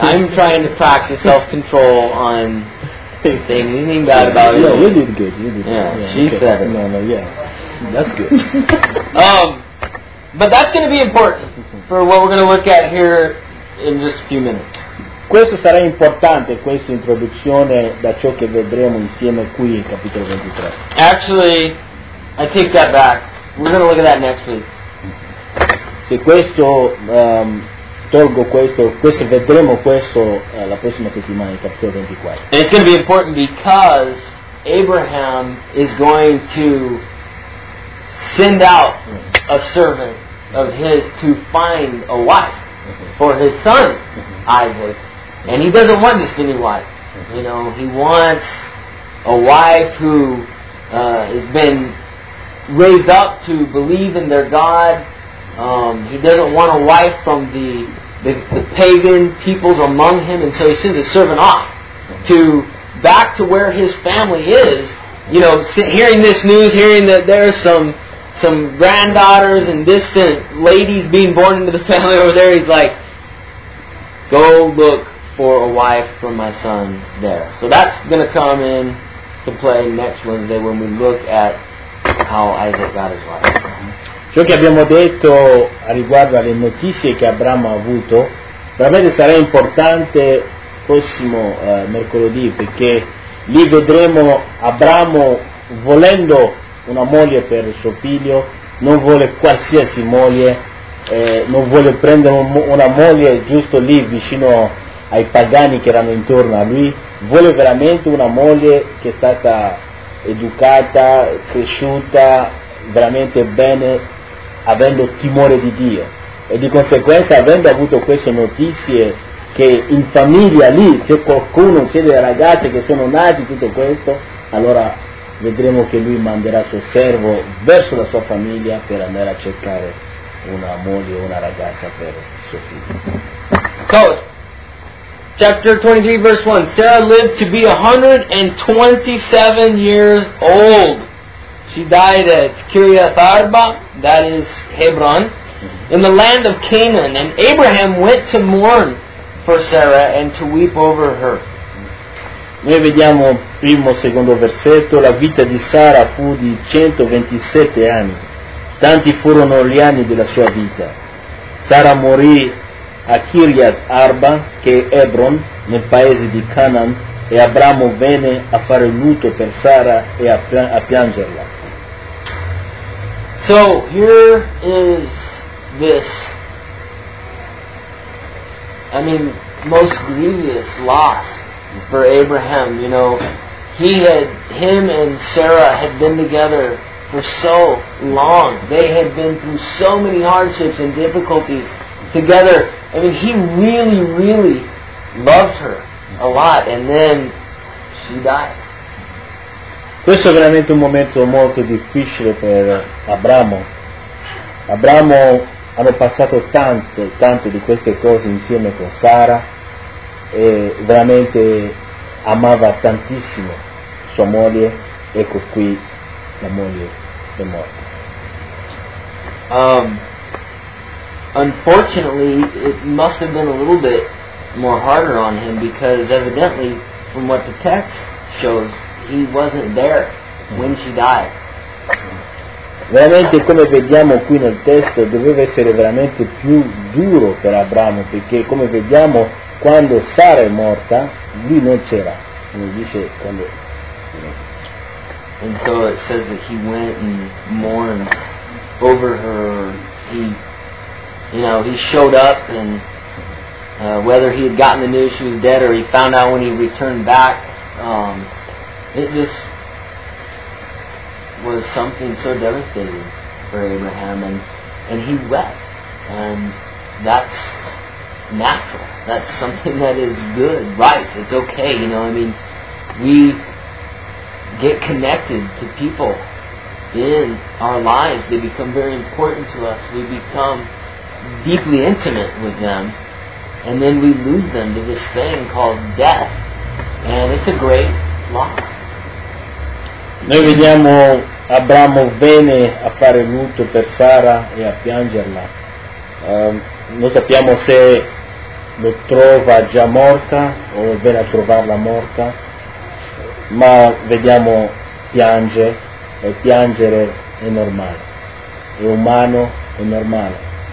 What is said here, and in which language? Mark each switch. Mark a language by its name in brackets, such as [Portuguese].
[English] I'm trying to practice self-control on saying anything bad about you. Yeah, you did good. You did She's okay. Better. No, yeah. That's good. But that's going to be important for what we're going to look at here in just a few minutes. [Italian] Questo sarà importante, questa introduzione, da ciò che vedremo insieme qui in capitolo 23. [English] Actually, I take that back. We're going to look at that next week. [Italian] E questo, tolgo questo, questo vedremo questo la prossima settimana, il capitolo 24. [English] And it's going to be important because Abraham is going to send out a servant of his to find a wife for his son, Isaac. And he doesn't want just any wife. You know, he wants a wife who has been raised up to believe in their God. He doesn't want a wife from the pagan peoples among him, and so he sends his servant off to back to where his family is, you know, hearing this news, hearing that there are some granddaughters and distant ladies being born into the family over there, he's like, go look for a wife for my son there. So that's going to come in to play next Wednesday when we look at how Isaac got his wife. [Italian] Ciò che abbiamo detto riguardo alle notizie che Abramo ha avuto, veramente sarà importante prossimo mercoledì, perché lì vedremo Abramo volendo una moglie per suo figlio, non vuole qualsiasi moglie, non vuole prendere una moglie giusto lì vicino ai pagani che erano intorno a lui, vuole veramente una moglie che è stata educata, cresciuta veramente bene, avendo timore di Dio, e di conseguenza avendo avuto queste notizie che in famiglia lì c'è qualcuno, c'è delle ragazze che sono nati, tutto questo, allora vedremo che lui manderà suo servo verso la sua famiglia per andare a cercare una moglie o una ragazza per suo figlio. [English] So, chapter 23 verse 1, Sarah lived to be 127 years old. She died at Kiriath Arba, that is Hebron, in the land of Canaan. And Abraham went to mourn for Sarah and to weep over her. [Italian] Noi vediamo primo secondo versetto, la vita di Sara fu di 127 anni. Tanti furono gli anni della sua vita. Sara morì a Kiriath Arba, che è Hebron, nel paese di Canaan, e Abramo venne a fare lutto per Sara e a piangerla. [English] So here is this, I mean, most grievous loss for Abraham. You know, him and Sarah had been together for so long. They had been through so many hardships and difficulties together. I mean, he really, really loved her a lot, and then she died. [Italian] Questo è veramente un momento molto difficile per Abramo. Abramo hanno passato tante di queste cose insieme con Sara, e veramente amava tantissimo sua moglie. Ecco qui la moglie è morta. [English] Unfortunately, it must have been a little bit more harder on him, because evidently, from what the text shows, he wasn't there when she died. [Italian] Veramente, come vediamo qui nel testo, doveva essere veramente più duro per Abramo, perché come vediamo, quando Sara è morta, lui non c'era. Come dice quando. [English] And so it says that he went and mourned over her. He showed up, and whether he had gotten the news she was dead or he found out when he returned back. It just was something so devastating for Abraham, and he wept, and that's natural. That's something that is good, right? It's okay, you know. I mean, we get connected to people in our lives. They become very important to us. We become deeply intimate with them, and then we lose them to this thing called death, and it's a great loss. [Italian] Noi vediamo Abramo bene a fare lutto per Sara e a piangerla. Non sappiamo se lo trova già morta o viene a trovarla morta, ma vediamo piange, e piangere è normale, è umano, è normale.